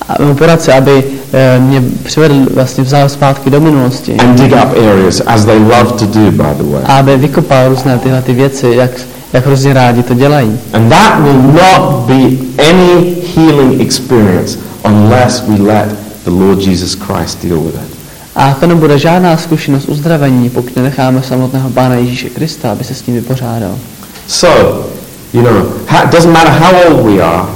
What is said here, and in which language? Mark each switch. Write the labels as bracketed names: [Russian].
[Czech] Operace, aby mě přivedl, vlastně vzal zpátky do minulosti. [English] And dig up areas, as they love to do, by the way. [Czech] Aby vykopal různé tyhle ty věci, jak hrozně rádi to dělají. [English] And that will not be any healing experience unless we let the Lord Jesus Christ deal with it. [Czech] A to nebude žádná zkušenost uzdravení, pokud nenecháme samotného Pána Ježíše Krista, aby se s tím vypořádal. [English] So, you know, it doesn't matter how old we are,